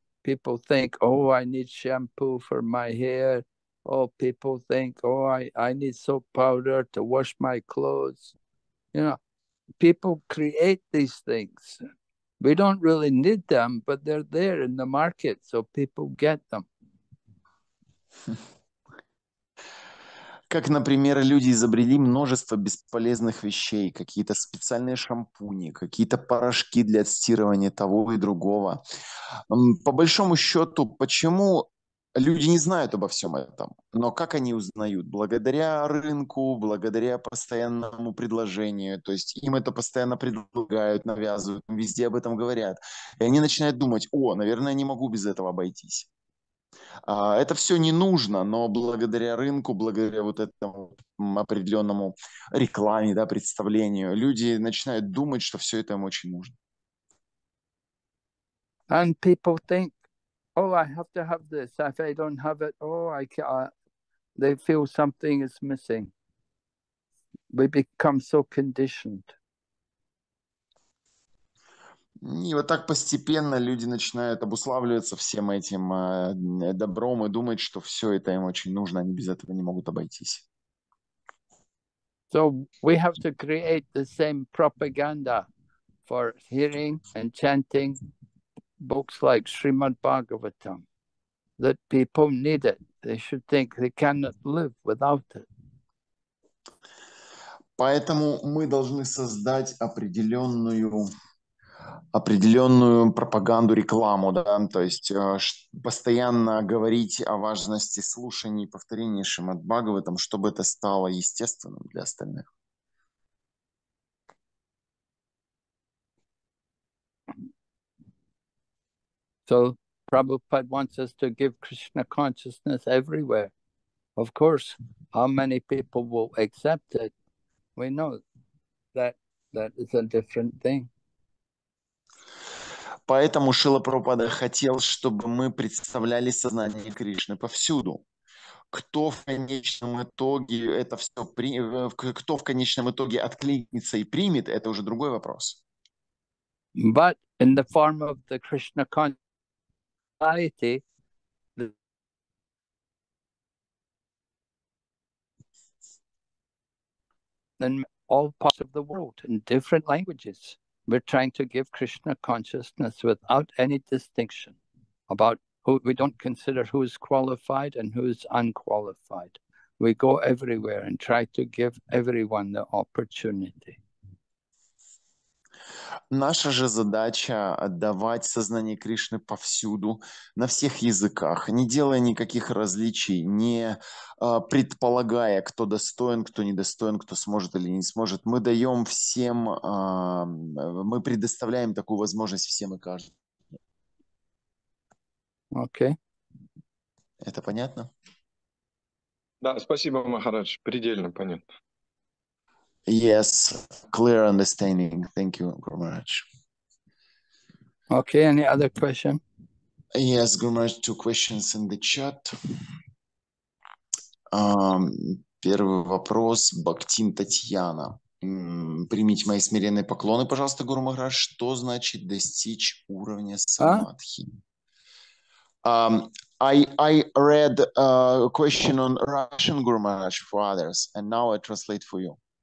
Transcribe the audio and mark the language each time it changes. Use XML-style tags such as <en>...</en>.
<en>People think, oh, I need shampoo for my hair. Oh, people think, oh, I need soap powder to wash my clothes. You know, people create these things. We don't really need them, but they're there in the market, so people get them.</en> <ru>Как, например, люди изобрели множество бесполезных вещей, какие-то специальные шампуни, какие-то порошки для отстирывания того и другого. По большому счету, почему люди не знают обо всем этом? Но как они узнают? Благодаря рынку, благодаря постоянному предложению. То есть им это постоянно предлагают, навязывают, везде об этом говорят. И они начинают думать, о, наверное, я не могу без этого обойтись. Это все не нужно, но благодаря рынку, благодаря вот этому определенному рекламе, да, представлению, люди начинают думать, что все это им очень нужно.</ru> <en>And people think, oh, I have to have this. If I don't have it, oh, I can't. They feel something is missing. We become so conditioned.</en> <ru>И вот так постепенно люди начинают обуславливаться всем этим добром и думать, что все это им очень нужно, они без этого не могут обойтись.</ru> <en>So we have to create the same propaganda for hearing and chanting books like Srimad Bhagavatam, that people need it. They should think they cannot live without it.</en> <ru>Поэтому мы должны создать определенную определенную пропаганду, рекламу, да, то есть постоянно говорить о важности слушания и повторения Шримад-Бхагаватам, чтобы это стало естественным для остальных.</ru> <en>So Prabhupada wants us to give Krishna consciousness everywhere. Of course, how many people will accept it? We know that that is a different thing.</en> <ru>Поэтому Шрила Прабхупада хотел, чтобы мы представляли сознание Кришны повсюду. Кто в конечном итоге это все кто в конечном итоге откликнется и примет, это уже другой вопрос.</ru> <en>But in the form of the Krishna society, in all parts of the world, in different languages. We're trying to give Krishna consciousness without any distinction about who we don't consider who is qualified and who is unqualified. We go everywhere and try to give everyone the opportunity.</en> <ru>Наша же задача отдавать сознание Кришны повсюду, на всех языках, не делая никаких различий, не предполагая, кто достоин, кто недостоин, кто сможет или не сможет. Мы даем всем, мы предоставляем такую возможность всем и каждому. Окей. Это понятно? Да, спасибо, Махарадж, предельно понятно.</ru> <en>Yes, clear understanding. Thank you, Guru Maharaj. Okay, any other question? Yes, Guru Maharaj, two questions in the chat.</en> <ru>Первый вопрос, Бхактин Татьяна. Примите мои смиренные поклоны, пожалуйста, Гуру Махарадж. Что значит достичь уровня самадхи?</ru> <en>I read a question on Russian, Guru Maharaj, for others, and now I translate for you.</en>